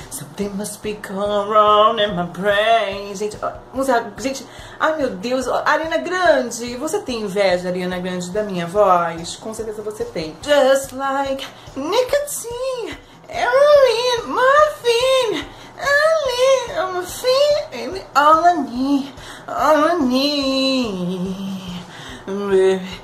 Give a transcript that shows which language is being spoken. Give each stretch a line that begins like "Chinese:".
English: Something must be gone wrong in my brain.
Portuguese: Gente, música, gente, ai meu Deus. Ariana Grande, você tem inveja, Ariana Grande, da minha voz? Com certeza você tem.
English: Just like nicotine, heroin, morphine, I'm a fiend, all I need, all I need, baby.